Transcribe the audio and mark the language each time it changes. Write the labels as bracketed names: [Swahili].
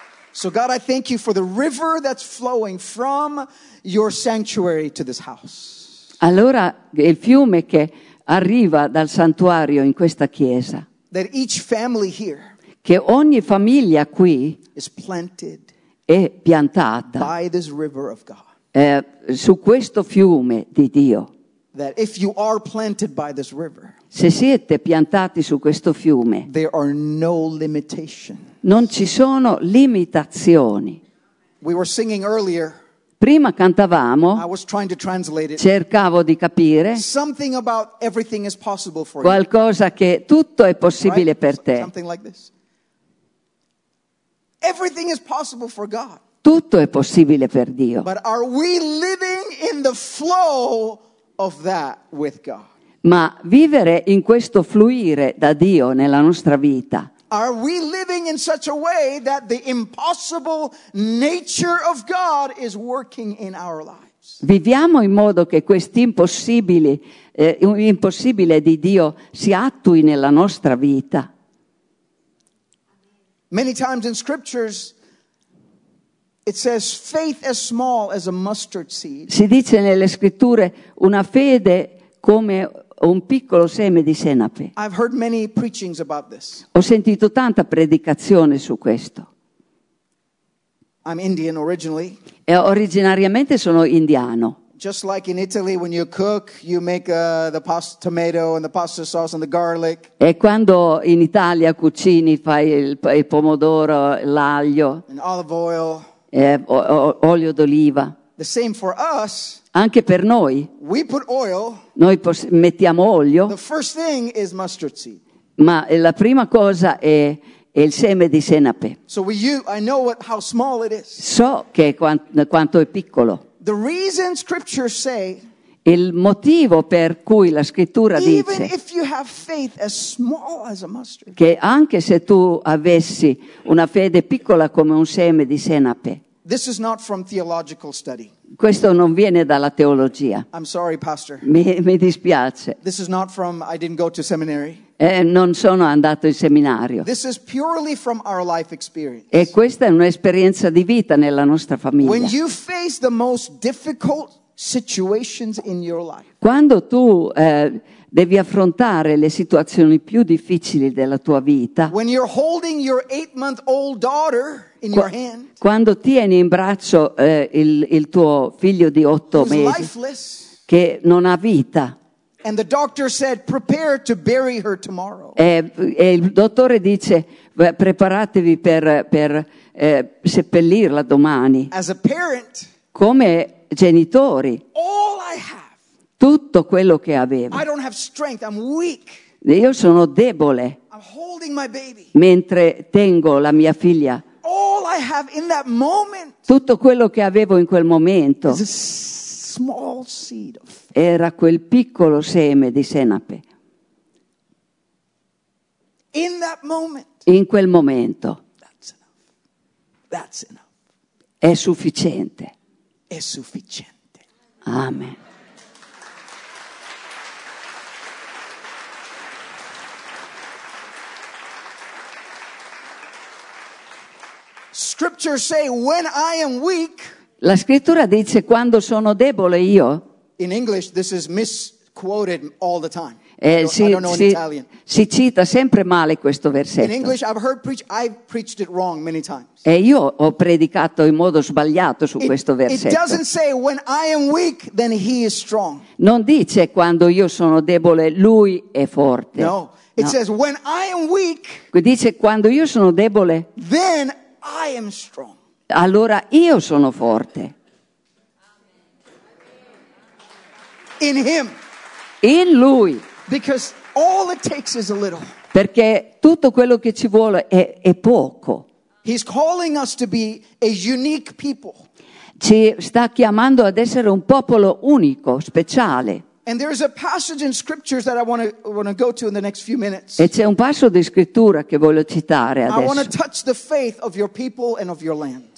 [English] So God, I thank you for the river that's flowing from your sanctuary to this house. [Italian] Allora il fiume che arriva dal santuario in questa chiesa. [English] That each family here. [Italian] Che ogni famiglia qui. [English] Is planted. [Italian] È piantata [English] by this river of God. [Italian] Su questo fiume di Dio. [English] That if you are planted by this river, [Italian] se siete piantati su questo fiume, [English] there are no limitations. [Italian] Non ci sono limitazioni. [English] We were singing earlier, [Italian] prima cantavamo, [English] I was trying to translate it. [Italian] Cercavo di capire [English] something about everything is possible for [Italian] qualcosa [English] you. [Italian] Che tutto è possibile [English] right? [Italian] per te. [English] Something like this. Everything is possible for God. [Italian] Tutto è possibile per Dio. [English] But are we living in the flow of that with God? [Italian] Ma vivere in questo fluire da Dio nella nostra vita. [English] Are we living in such a way that the impossible nature of God is working in our lives? [Italian] Viviamo in modo che questo impossibile, impossibile di Dio si attui nella nostra vita. [English] Many times in scriptures it says faith as small as a mustard seed. [Italian] Si dice nelle scritture una fede come un piccolo seme di senape. [English] I've heard many preachings about this. [Italian] Ho sentito tanta predicazione su questo. [English] I'm Indian originally. [Italian] E originariamente sono indiano. [English] Just like in Italy when you cook, you make the pasta tomato and the pasta sauce and the garlic. [Italian] E quando in Italia cucini fai il pomodoro, l'aglio. [English] And olive oil. [Italian] E olio d'oliva. [English] The same for us. [Italian] Anche per noi. [English] We put oil. [Italian] Noi mettiamo olio. [English] The first thing is mustard seed. [Italian] Ma la prima cosa è il seme di senape. [English] So I know how small it is. [Italian] So che quanto è piccolo. [English] The reason scriptures say. [Italian] Il motivo per cui la scrittura dice. [English] Even if you have faith as small as a mustard. [Italian] Che anche se tu avessi una fede piccola come un seme di senape. [English] This is not from theological study. [Italian] Questo non viene dalla teologia. [English] I'm sorry, Pastor. [Italian] Mi dispiace. [English] This is not from, I didn't go to seminary. [Italian] Non sono andato in seminario. [English] This is purely from our life experience. [Italian] E questa è un'esperienza di vita nella nostra famiglia. [English] When you face the most difficult situations in your life. [Italian] Quando tu devi affrontare le situazioni più difficili della tua vita. [English] When you're holding your 8-month-old daughter in your hand. [Italian] Quando tieni in braccio il tuo figlio di 8 mesi. [English] Lifeless, [Italian] che non ha vita. [English] And the doctor said, prepare to bury her tomorrow. [Italian] E il dottore dice, preparatevi per seppellirla domani. [English] As a parent, [Italian] come genitori. [English] All I have. [Italian] Tutto quello che avevo. [English] I don't have strength, I'm weak. [Italian] Io sono debole. [English] I'm holding my baby. [Italian] Mentre tengo la mia figlia. [English] All I have in that moment. [Italian] Tutto quello che avevo in quel momento. [English] Is a small seed of faith. [Italian] Era quel piccolo seme di senape. [English] In that moment. [Italian] In quel momento. [English] That's enough. That's enough. [Italian] È sufficiente. È sufficiente. Amen. [English] Scripture say when I am weak. [Italian] La scrittura dice quando sono debole io. [English] In English this is misquoted all the time. I don't know in Italian. [Italian] Si cita sempre male questo versetto. [English] In English I've preached it wrong many times. [Italian] E io ho predicato in modo sbagliato su questo versetto. [English] It doesn't say when I am weak then he is strong. [Italian] Non dice quando io sono debole lui è forte. [English] No, it says when I am weak. [Italian] Dice quando io sono debole. [English] Then I am strong. [Italian] Allora io sono forte. [English] In him. [Italian] In lui. [English] Because all it takes is a little. [Italian] Perché tutto quello che ci vuole è poco. [English] He's calling us to be a unique people. [Italian] Ci sta chiamando ad essere un popolo unico, speciale. [English] And there is a passage in scriptures that I want to go to in the next few minutes. [Italian] E c'è un passo di scrittura che voglio citare adesso. [English] I want to touch the faith of your people and of your land.